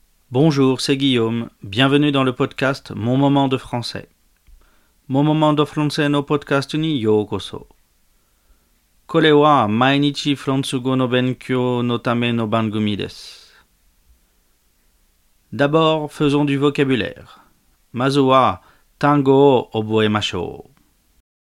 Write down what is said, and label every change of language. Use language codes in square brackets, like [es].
[fr] Bonjour, c'est Guillaume. Bienvenue dans le podcast Mon moment de français. [ja] Mon moment de français no podcast ni ようこそ。これは毎日フランス語の勉強のための番組です。 [fr] D'abord, faisons du vocabulaire. [ja] まずは単語を覚えましょう。